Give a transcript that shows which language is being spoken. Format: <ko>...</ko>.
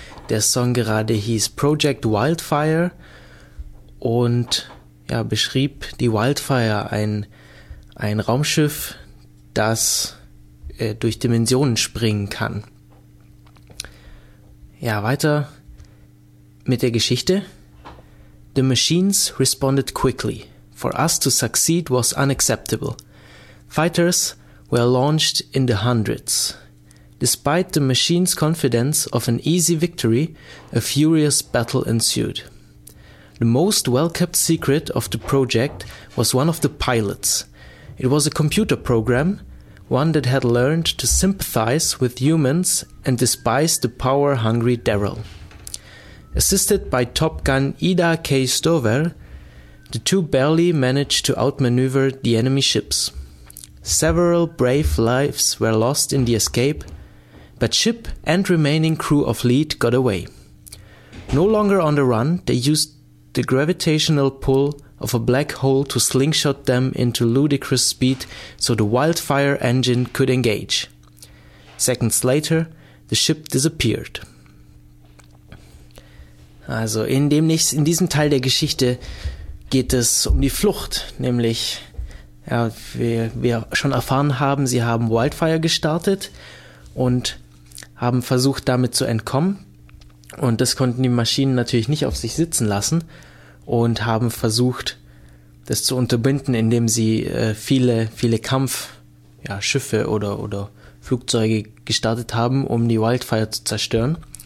<de>Der Song gerade hieß Project Wildfire und ja, beschrieb die Wildfire, ein Raumschiff, das durch Dimensionen springen kann. Ja, weiter mit der Geschichte.</de> <en>The machines responded quickly. For us to succeed was unacceptable. Fighters were launched in the hundreds. Despite the machines' confidence of an easy victory, a furious battle ensued. The most well-kept secret of the project was one of the pilots. It was a computer program, one that had learned to sympathize with humans and despise the power-hungry Daryl. Assisted by Top Gun Ida K. Stover, the two barely managed to outmaneuver the enemy ships. Several brave lives were lost in the escape, but ship and remaining crew of lead got away. No longer on the run, they used the gravitational pull of a black hole to slingshot them into ludicrous speed so the Wildfire engine could engage. Seconds later, the ship disappeared.</en> <de>Also in diesem Teil der Geschichte geht es um die Flucht, nämlich, ja, wie wir schon erfahren haben, sie haben Wildfire gestartet und haben versucht, damit zu entkommen. Und das konnten die Maschinen natürlich nicht auf sich sitzen lassen und haben versucht, das zu unterbinden, indem sie viele, viele Kampfschiffe oder Flugzeuge gestartet haben, um die Wildfire zu zerstören.</de>